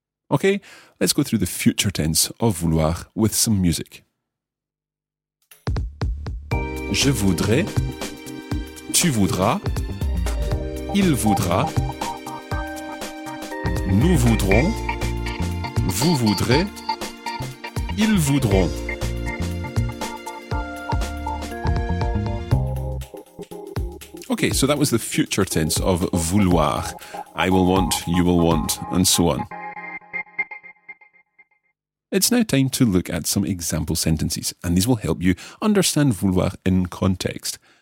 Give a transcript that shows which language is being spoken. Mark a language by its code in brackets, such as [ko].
[en] Okay, let's go through the future tense of vouloir with some music. [fr] Je voudrais, tu voudras, il voudra, nous voudrons, vous voudrez, ils voudront. [en] Okay, so that was the future tense of vouloir. I will want, you will want, and so on. It's now time to look at some example sentences, and these will help you understand vouloir in context.